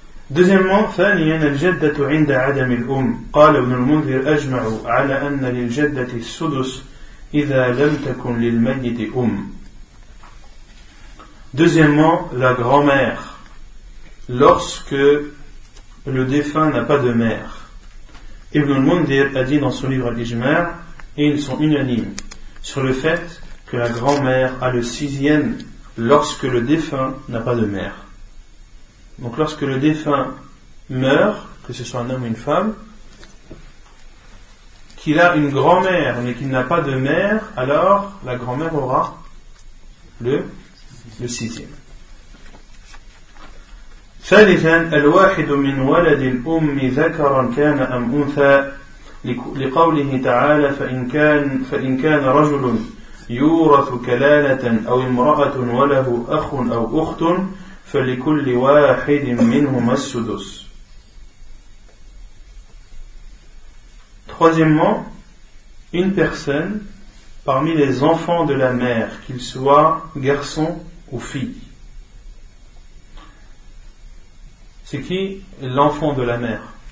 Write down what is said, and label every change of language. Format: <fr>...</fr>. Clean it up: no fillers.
<fr>Deuxièmement,</fr> <ar>ثانياً الجدة عند عدم الأم قال ابن المنذر أجمع على أن للجدة السدس إذا لم تكن للميت أم.</ar> <fr>Deuxièmement, la grand-mère, lorsque le défunt n'a pas de mère. Ibn al-Mundhir a dit dans son livre Al-Ijma', et ils sont unanimes sur le fait que la grand-mère a le sixième lorsque le défunt n'a pas de mère. Donc lorsque le défunt meurt, que ce soit un homme ou une femme, qu'il a une grand-mère mais qu'il n'a pas de mère, alors la grand-mère aura le sixième.</fr> <ar>ثالثاً الواحد من ولد الأم ذكرا كان أم أنثى لقوله تعالى فإن كان رجل يورث كلالة أو امرأة وله أخ أو أخت فلكل واحد منهما السدس.</ar> <fr>Troisièmement, une personne parmi les enfants de la mère, qu'il soit garçon ou fille. C'est qui l'enfant de la mère?</fr>